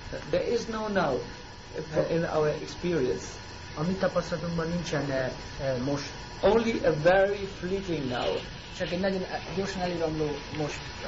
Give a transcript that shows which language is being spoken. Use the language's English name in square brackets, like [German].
[English] There is no now in our experience. [Hungarian] A mi tapasztalatunkban nincsen most. [English] Only a very fleeting now. [Hungarian] Csak egy nagyon gyorsan eliramló most.